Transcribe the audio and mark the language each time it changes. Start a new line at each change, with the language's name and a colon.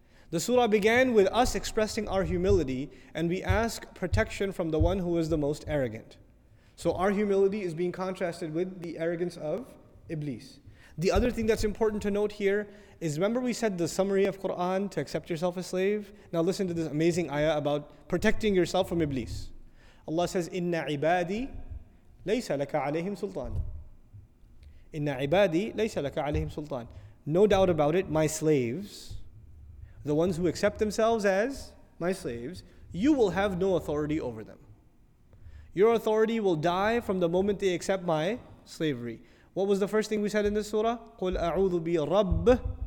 English: The surah began with us expressing our humility and we ask protection from the one who is the most arrogant. So our humility is being contrasted with the arrogance of Iblis. The other thing that's important to note here is, remember we said the summary of Quran, to accept yourself a slave? Now listen to this amazing ayah about protecting yourself from Iblis. Allah says,
Arabic: إِنَّ عِبَادِي لَيْسَ لَكَ عَلَيْهِمْ سُلْطَانٍ إِنَّ عِبَادِي لَيْسَ لَكَ عَلَيْهِمْ سُلْطَانٍ.
English: No doubt about it, my slaves, the ones who accept themselves as my slaves, you will have no authority over them. Your authority will die from the moment they accept my slavery. What was the first thing we said in this surah?
Arabic: قُلْ أَعُوذُ بِرَبِّ.